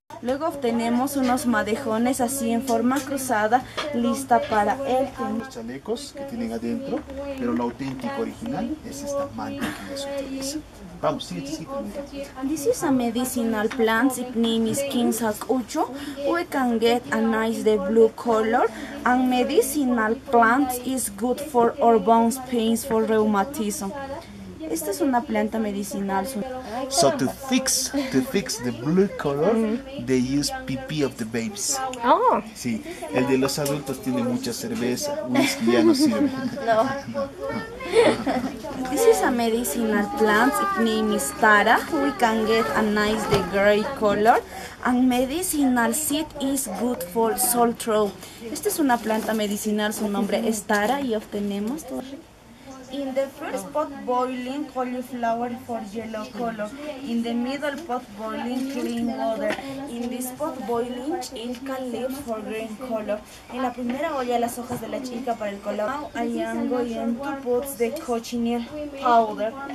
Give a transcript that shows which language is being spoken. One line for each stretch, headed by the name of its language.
Spanish: Luego obtenemos unos madejones así en forma cruzada, lista para el los chalecos que tienen adentro, pero lo auténtico original es esta manta que les utiliza. Vamos,
English: This is a medicinal plant, its name is Pisac. We can get a nice the blue color. And medicinal plant is good for our bones, pains, for rheumatism.
Spanish: Esta es una planta medicinal.
English: So to fix the blue color, they use pee of the babies. Oh.
Spanish: Sí, el de los adultos tiene mucha cerveza, whisky ya no sirve. No.
English: This is a medicinal plant, its name is Tara. We can get a nice the gray color. And medicinal seed is good for sore throat.
Spanish: Esta es una planta medicinal, su nombre es Tara y obtenemos todo.
English: In the first pot boiling cauliflower for yellow color. In the middle pot boiling clean water. In this pot boiling Inca leaf for green color.
Spanish: En la primera olla las hojas de la chica para el color.
English: Now I am going to put the cochineal powder.